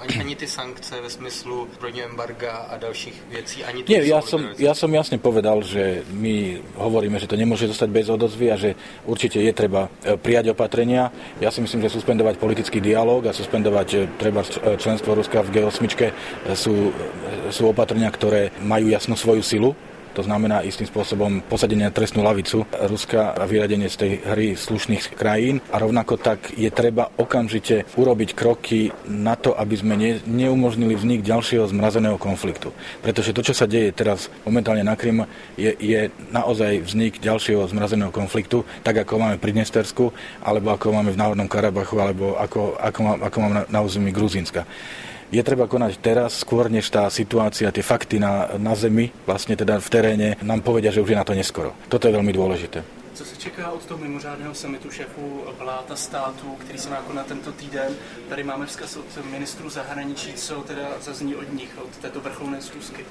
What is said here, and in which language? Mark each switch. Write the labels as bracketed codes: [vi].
[cs] Ani ty sankce ve smyslu zbrojného embarga a dalších vecí, ani [sk] to. Nie, ja som jasne povedal, že my hovoríme, že to nemôže zostať bez odozvy a že určite je treba prijať opatrenia. Ja si myslím, že suspendovať politický dialog a suspendovať treba členstvo Ruska v G8 sú opatrenia, ktoré majú jasnú svoju silu. To znamená istým spôsobom posadenie na trestnú lavicu Ruska a vyradenie z tej hry slušných krajín. A rovnako tak je treba okamžite urobiť kroky na to, aby sme neumožnili vznik ďalšieho zmrazeného konfliktu. Pretože to, čo sa deje teraz momentálne na Krym, je naozaj vznik ďalšieho zmrazeného konfliktu, tak ako máme pri Dnestersku, alebo ako máme v Národnom Karabachu, alebo ako máme na území Gruzínska. Je treba konať teraz, skôr než tá situácia, tie fakty na zemi, vlastne teda v teréne, nám povedia, že už je na to neskoro. Toto je veľmi dôležité. [cs] Co se čeká od toho mimořádného summitu šéfů vlád a států, který se má konat tento týden? Tady máme vzkaz od ministrů zahraničí, co teda zazní od nich, od této vrcholné schůzky.